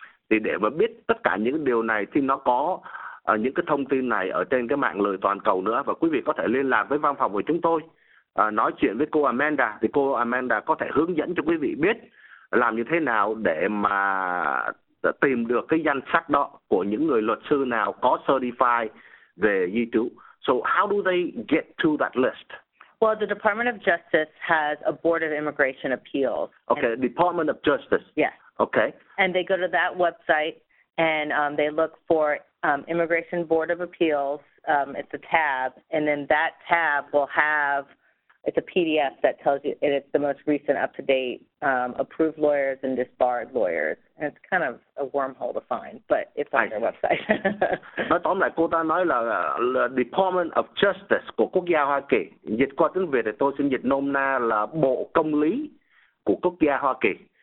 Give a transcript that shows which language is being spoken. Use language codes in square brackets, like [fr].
[vi] Thì để mà biết tất cả những điều này thì nó có những cái thông tin này ở trên cái mạng lưới toàn cầu nữa, và quý vị có thể liên lạc với văn phòng của chúng tôi, nói chuyện với cô Amanda, thì cô Amanda có thể hướng dẫn cho quý vị biết làm như thế nào để mà tìm được cái danh sách đó của những người luật sư nào có certified về di trú. [en] So how do they get to that list? Well, the Department of Justice has a Board of Immigration Appeals. Okay, and Department of Justice. Yes. Okay. And they go to that website and they look for Immigration Board of Appeals. It's a tab, and then that tab will have, it's a PDF that tells you, and it's the most recent up-to-date approved lawyers and disbarred lawyers. And it's kind of a wormhole to find, but it's on their website. [vi] Nói tóm lại, cô ta nói là Department of Justice của Quốc gia Hoa Kỳ. Dịch qua tiếng Việt thì tôi xin dịch nôm na là Bộ Công lý của Quốc gia Hoa Kỳ.